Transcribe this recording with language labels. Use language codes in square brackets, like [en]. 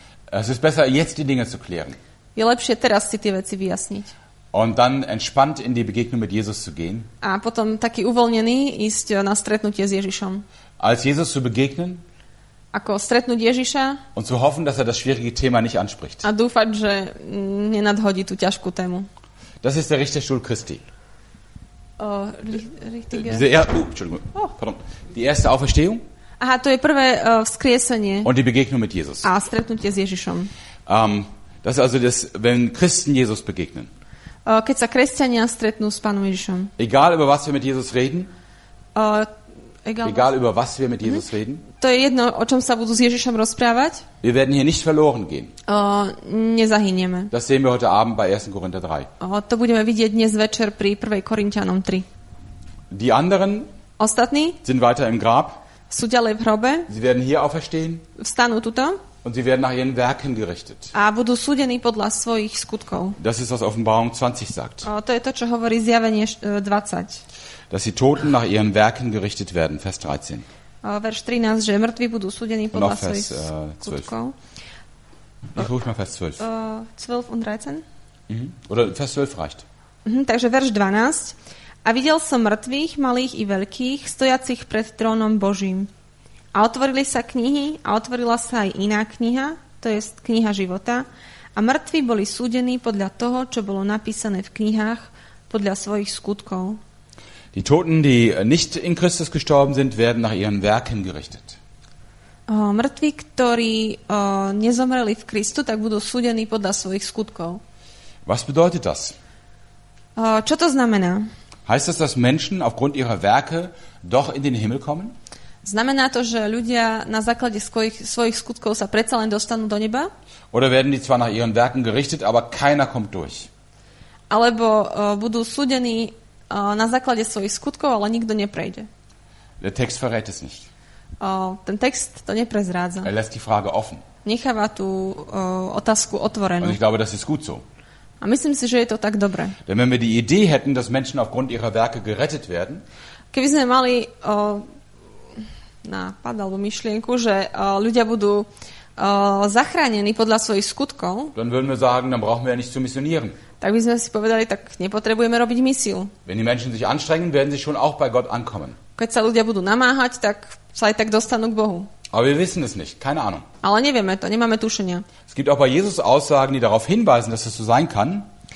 [de] Es ist besser, jetzt die Dinge zu klären. [sk] Je lepšie teraz si tie veci vyjasniť. [de] Und dann entspannt in die Begegnung mit Jesus zu gehen. [sk] A potom taký uvoľnený ísť na stretnutie s Ježišom. [de] Als Jesus zu begegnen. [sk] Ako stretnúť Ježiša. [de] Und zu hoffen, dass er das schwierige Thema nicht anspricht. [sk] A dúfať, že nenadhodí tú ťažkú tému. [de] Das ist der Richterstuhl Christi. Die erste Auferstehung. [sk] Aha, to je prvé vzkriesenie. [de] Und die Begegnung mit Jesus. [sk] A stretnutie s Ježišom. [de] Das ist also das, wenn Christen Jesus begegnen. [sk] Keď sa kresťania stretnú s Pánom Ježišom. [de] Egal über was wir mit Jesus reden. Egal über was wir mit Jesus reden. [sk] To je jedno, o čom sa budú s Ježišom rozprávať. [de] Wir werden hier nicht verloren gehen. [sk] Nezahynieme. [de] Das sehen wir heute Abend bei 1. Korinther 3. [sk] To budeme vidieť dnes večer pri 1. Korinťanom 3. [de] Die anderen? [sk] Ostatní? [de] Sind weiter im Grab. [sk] Sú ďalej v hrobe. [de] Sie werden hier auferstehen. [sk] Vstanú tuto. [de] Und sie werden nach ihren Werken gerichtet. [sk] A budú súdení podľa svojich skutkov. [de] Das ist, was Offenbarung 20 sagt. [sk] To je to, čo hovorí Zjavenie 20. [de] Dass die Toten nach ihren Werken gerichtet werden, Vers 13. [sk] Verš 13, že mŕtvi budú súdení podľa svojich skutkov. [de] Ich ruf mal Vers 12. 12 und 13? Mhm. Oder Vers 12 reicht. [sk] Mhm, takže verš 12. A videl som mŕtvych, malých i veľkých, stojacich pred trónom Božím. A otvorili sa knihy, a otvorila sa aj iná kniha, to je kniha života, a mŕtvi boli súdení podľa toho, čo bolo napísané v knihách, podľa svojich skutkov. [de] Die Toten, die nicht in Christus gestorben sind, werden nach ihren Werken gerichtet. [sk] Mŕtvi, ktorí nezomreli v Kristu, tak budú súdení podľa svojich skutkov. [de] Was bedeutet das? [sk] Čo to znamená? [de] Heißt das, dass Menschen aufgrund ihrer Werke doch in den Himmel kommen? [sk] Znamená to, že ľudia na základe svojich skutkov sa predsa len dostanú do neba? [de] Oder werden die zwar nach ihren Werken gerichtet, aber keiner kommt durch? [sk] Alebo budú súdení na základe svojich skutkov, ale nikto neprejde. [de] Der Text verrät es nicht. [sk] Ten text to neprezrádza. [de] Er lässt die Frage offen. [sk] Necháva tú otázku otvorenú. [de] Und ich glaube, das ist gut so. [sk] A myslím si, že je to tak dobre. [de] Denn wenn wir die Idee hätten, dass Menschen aufgrund ihrer Werke gerettet werden, [sk] keby sme mali nápad alebo myšlienku, že ľudia budú zachránení podľa svojich skutkov, [de] dann würden wir sagen, dann brauchen wir ja nicht zu missionieren. [sk] Tak by sme si povedali, tak nepotrebujeme robiť misiu. [de] Wenn die Menschen sich anstrengen, werden sie schon auch bei Gott ankommen. [sk] Keď sa ľudia budú namáhať, tak sa aj tak dostanú k Bohu. [de] Aber wir wissen es nicht, keine Ahnung. [sk] Ale nevieme to, nemáme tušenia. [de] Es gibt auch bei Jesus Aussagen, die darauf hinweisen, dass es so sein kann.